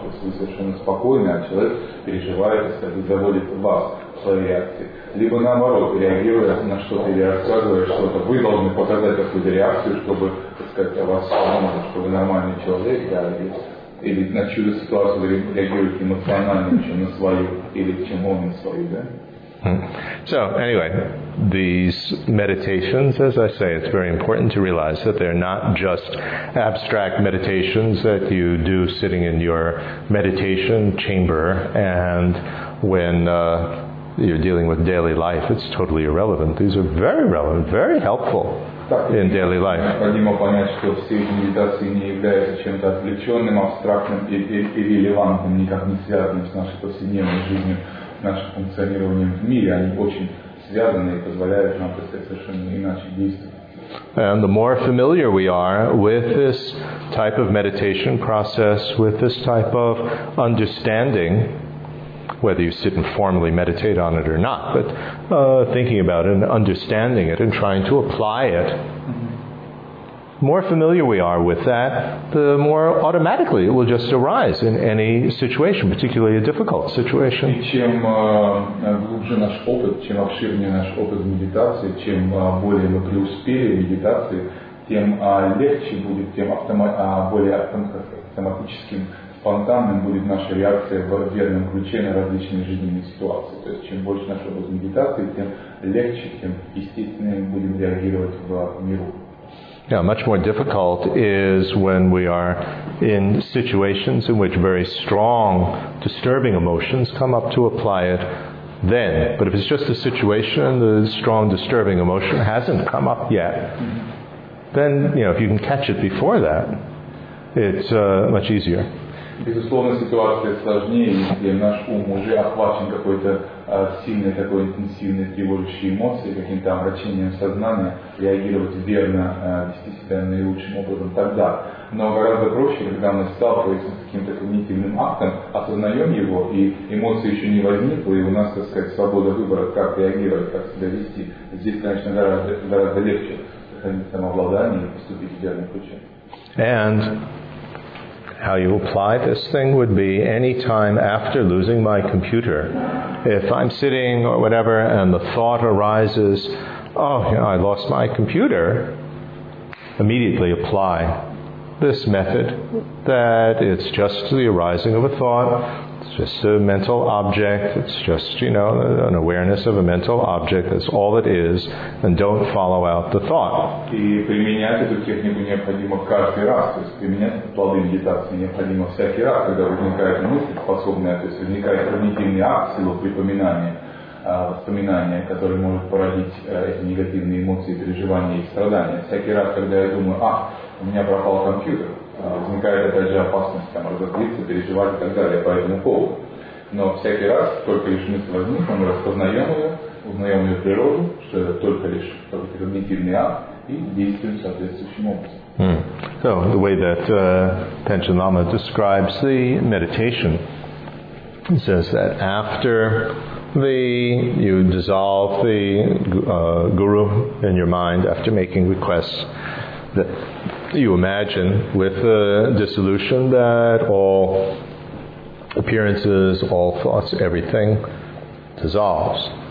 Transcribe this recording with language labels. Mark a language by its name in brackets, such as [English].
[Russian] То есть вы совершенно спокойны, а человек переживает, если бы заводит вас в своей реакции. Либо наоборот, реагируя на что-то или рассказывая что-то, вы должны показать какую-то реакцию, чтобы, так сказать, о вас самому, что вы нормальный человек, да, и... или на чью-то ситуацию реагирует эмоционально, чем на свою, или чем он на свою, да? [English] So, anyway, these meditations, as I say, it's very important to realize that they're not just abstract meditations that you do sitting in your meditation chamber, and when you're dealing with daily life, it's totally irrelevant. These are very relevant, very helpful in daily life. [Russian] Необходимо понять, что все эти медитации не являются чем-то отвлеченным, абстрактным и ирелевантным, никак не связанным с нашей повседневной жизнью, нашим функционированием в мире. Они очень связаны и позволяют нам совершенно иначе действовать. [English] And the more familiar we are with this type of meditation process, with this type of understanding, whether you sit and formally meditate on it or not, but thinking about it and understanding it and trying to apply it, the more familiar we are with that, the more automatically it will just arise in any situation, particularly a difficult situation. [Russian] И чем глубже наш опыт, чем обширнее наш опыт в медитации, чем более мы преуспели в медитации, тем легче будет, тем более автоматическим, спонтанным будет наша реакция в верном ключе на различные жизненные ситуации. То есть, чем больше наш опыт в медитации, тем легче, тем естественнее будем реагировать в миру. [English] Yeah, much more difficult is when we are in situations in which very strong, disturbing emotions come up to apply it then. But if it's just a situation, the strong, disturbing emotion hasn't come up yet, then, you know, if you can catch it before that, it's much easier. [Russian] Безусловно, ситуация сложнее, если наш ум уже охвачен какой-то сильной, такой интенсивной, тревожащей эмоцией, каким-то омрачением сознания, реагировать верно, вести себя наилучшим образом тогда. Но гораздо проще, когда мы сталкиваемся с каким-то когнитивным актом, осознаем его, и эмоции еще не возникло, и у нас, так сказать, свобода выбора, как реагировать, как себя вести. Здесь, конечно, гораздо легче сохранить самообладание и поступить в верном ключе. [English] And how you apply this thing would be any time after losing my computer. If I'm sitting or whatever and the thought arises, oh, you know, I lost my computer, immediately apply this method, that it's just the arising of a thought, it's just a mental object, it's just, you know, an awareness of a mental object, that's all it is, and don't follow out the thought. [Russian] И применять эту технику необходимо каждый раз, то есть применять плоды медитации необходимо всякий раз, когда возникает мысль способная, то есть возникает когнитивный акт, силу припоминания, воспоминания, которые могут породить эти негативные эмоции, переживания и страдания. Всякий раз, когда я думаю, ах, у меня пропал компьютер, возникает опять же опасность там разозлиться, переживать и так далее по этому поводу. Но всякий раз, только лишь мысль возникла, мы распознаем ее, узнаем ее природу, что это только лишь когнитивный акт, и действуем соответствующим образом. Mm. [English] So, the way that Panchen Lama describes the meditation, he says that after you dissolve the guru in your mind after making requests, that you imagine with the dissolution that all appearances, all thoughts, everything dissolves.